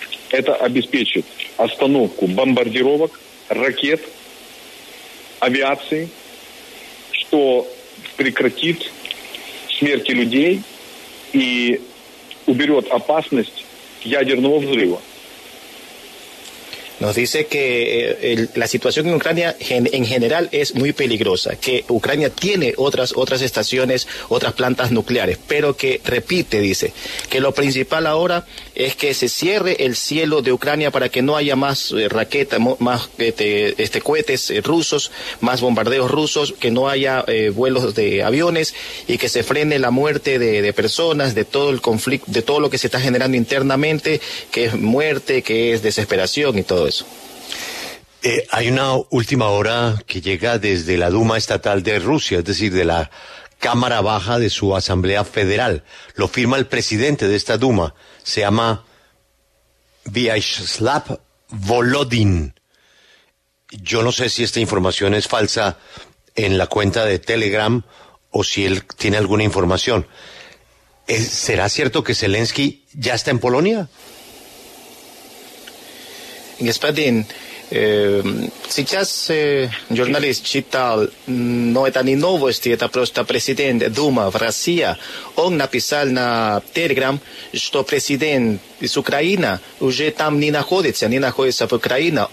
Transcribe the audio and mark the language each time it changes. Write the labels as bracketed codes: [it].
[ru] Это обеспечит остановку бомбардировок, ракет, авиации, что прекратит смерти людей и уберет опасность ядерного взрыва. [es] Nos dice que la situación en Ucrania en general es muy peligrosa, que Ucrania tiene otras estaciones, otras plantas nucleares, pero que, repite, dice, que lo principal ahora es que se cierre el cielo de Ucrania para que no haya más raquetas, más cohetes rusos, más bombardeos rusos, que no haya vuelos de aviones y que se frene la muerte de personas, de todo el conflicto, de todo lo que se está generando internamente, que es muerte, que es desesperación y todo. Hay una última hora que llega desde la Duma Estatal de Rusia, es decir, de la Cámara Baja de su Asamblea Federal. Lo firma el presidente de esta Duma, se llama Vyacheslav Volodin. Yo no sé si esta información es falsa en la cuenta de Telegram o si él tiene alguna información. ¿Será cierto que Zelensky ya está en Polonia? [ru] Господин, сейчас журналист читал, но это не новости, это просто президент Думы в России. Он написал на Telegram, что президент из Украины уже там не находится в Украине.